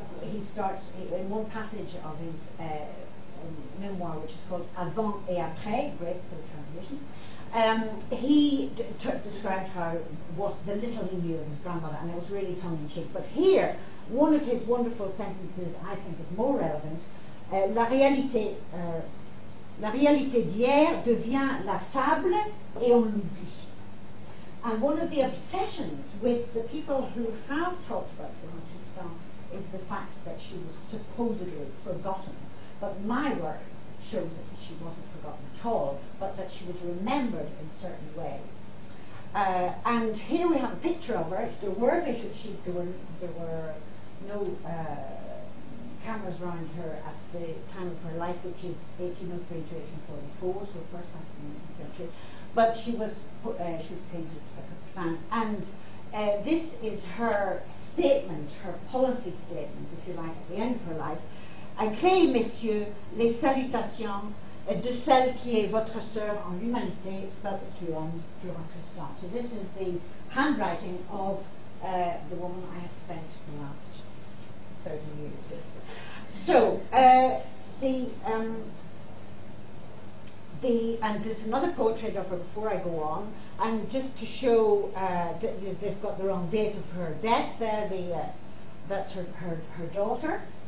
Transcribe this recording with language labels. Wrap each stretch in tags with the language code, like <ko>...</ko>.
<en>He starts in one passage of his memoir, which is called Avant et Après, great for the transmission. He described how what the little he knew of his grandmother, and it was really tongue-in-cheek, but here one of his wonderful sentences I think is more relevant.</en> <fr>La réalité d'hier devient la fable et on l'oublie.</fr> <en>And one of the obsessions with the people who have talked about Flora Tristan is the fact that she was supposedly forgotten. But my work shows that she wasn't forgotten at all, but that she was remembered in certain ways. And here we have a picture of her. There were no cameras around her at the time of her life, which is 1803 to 1844, so first half of the 19th century. But she was painted at the plant. And this is her statement, her policy statement, if you like, at the end of her life.</en> <fr>agréez, messieurs, les salutations de celle qui est votre sœur en humanité,</fr> <en>spelled to one's</en> <fr>Flora Tristan.</fr> <en>So this is the handwriting of the woman I have spent the last 30 years with. So, and there's another portrait of her before I go on, and just to show that they've got the wrong date of her death there, that's her daughter.</en>